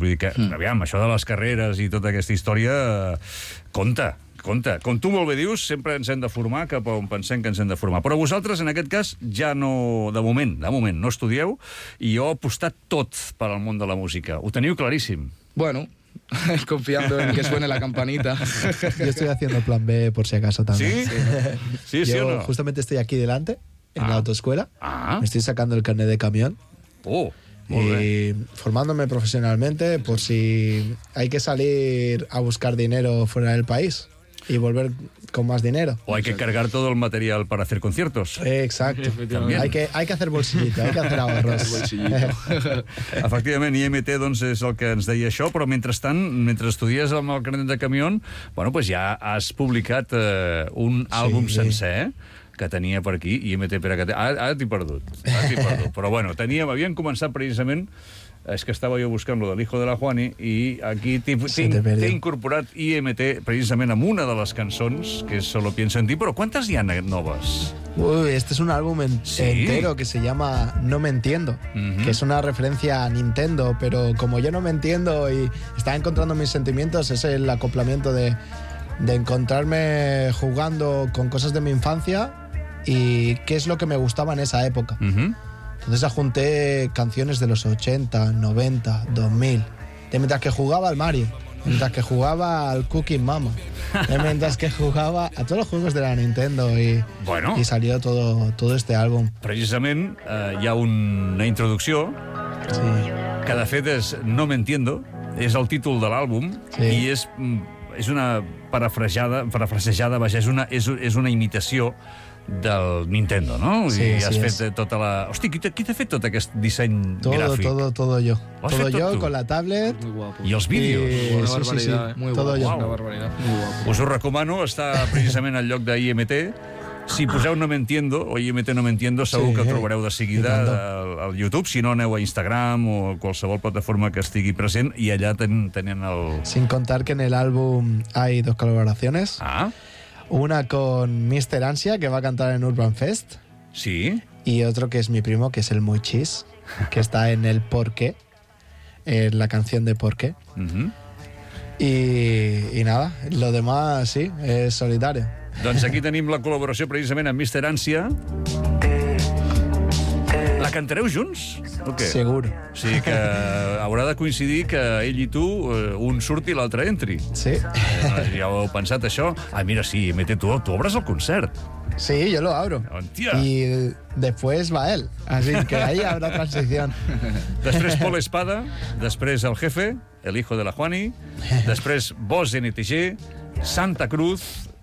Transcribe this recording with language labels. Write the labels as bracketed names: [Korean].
[Catalan] Vull dir que, aviam, això de les carreres i tota aquesta història compta. Compte, com tu molt bé dius, sempre ens hem de formar cap on pensem que ens hem de formar. Però vosaltres, en aquest cas, ja no... De moment, no estudieu, i jo he apostat tot per al món de la música. Ho teniu claríssim. [Spanish] Bueno, confiando en que suene la campanita. Yo estoy haciendo plan B, por si acaso, también. ¿Sí? Sí, ¿no? Sí, yo sí o no. Yo justamente estoy aquí delante, en la autoescuela. Ah. Me estoy sacando el carnet de camión. ¡Oh! Y formándome profesionalmente por si hay que salir a buscar dinero fuera del país. Y volver con más dinero. O hay que cargar todo el material para hacer conciertos. Exacto. Hay que hacer bolsillito, hay que hacer ahorros. [Catalan] Efectivament, IMT doncs, és el que ens deia això, però mentrestant, mentre estudies amb el carnet de camión, bueno, pues ja has publicat un àlbum sencer, que tenia per aquí, IMT Pere Catalán. Ara t'he perdut. Però bueno, havíem començat precisament... És que estava jo buscant lo de l'Hijo de la Juani i aquí t'he incorporat IMT precisament amb una de les cançons, que és Solo pienso en ti, però quantes hi ha noves? [Spanish] Uy, este es un álbum entero que se llama No me entiendo, que es una referencia a Nintendo, pero como yo no me entiendo y estaba encontrando mis sentimientos, es el acoplamiento de encontrarme jugando con cosas de mi infancia y qué es lo que me gustaba en esa época. Entonces junté canciones de los 80, 90, 2000, de mientras que jugaba al Mario, de mientras que jugaba al Cooking Mama, de mientras que jugaba a todos los juegos de la Nintendo y salió todo este álbum. [Catalan] Precisament hi ha una introducció, que de fet és No me entiendo, és el títol de l'àlbum, i és una parafrasejada, vaja, és una imitació del Nintendo, ¿no? [Spanish] Sí, y has hecho toda la... Hostia, ¿quién te ha hecho todo este diseño gráfico? Todo yo. Todo yo, tú? Con la tablet... Muy guapo. ¿Y los vídeos? Sí. Muy todo guapo. Yo. Una barbaridad. Muy guapo. [Catalan] Os recomano, está precisament al lloc de IMT. Si poseu No me entiendo, o IMT No me entiendo, segur que trobareu de seguida al YouTube. Si no, aneu a Instagram o a qualsevol plataforma que estigui present i allà tenen el... [Spanish] Sin contar que en el álbum hay dos colaboraciones. Ah. Una con Mr. Ansia, que va a cantar en Urban Fest. Sí. Y otro que es mi primo, que es el Muy Chis, que está en el Porqué, en la canción de Porqué. Uh-huh. Y nada, lo demás, sí, es solitario. [Catalan] Doncs aquí tenim la col·laboració precisament amb Mr. Ansia. La cantareu junts? Okay. Segur. O sigui que haurà de coincidir que ell i tu, un surti i l'altre entri. Sí. Ja ho heu pensat, això? Ah, mira, sí, Mete, tu obres el concert. [Spanish] Sí, yo lo abro. [Catalan] Hòstia. [Spanish] Y después va él. Así que ahí habrá transición. [Catalan] Després Pol Espada, després El Jefe, El Hijo de la Juani, després Vos NTG, Santa Cruz...